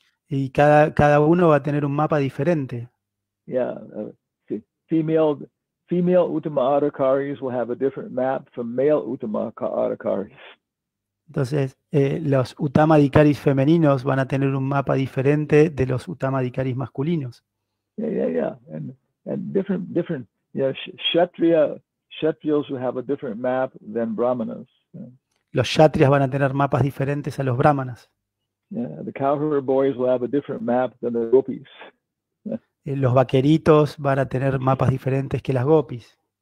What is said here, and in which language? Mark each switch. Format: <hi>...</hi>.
<es>Y cada uno va a tener un mapa diferente.</es> <en>Yeah, female Uttama Adhikaris will have a different map from male Uttama Adhikaris.</en> <es>Entonces, los Uttama Adhikaris femeninos van a tener un mapa diferente de los Uttama Adhikaris masculinos.</es> <en>Yeah. And different, yeah, Kshatriyas will have a different map than Brahmanas.</en> <es>Los kshatrias van a tener mapas diferentes a los brahmanas.</es> <en>Yeah, the cowherd boys will have a different map than the gopis.</en> <es>Los vaqueritos van a tener mapas diferentes que las gopis.</es>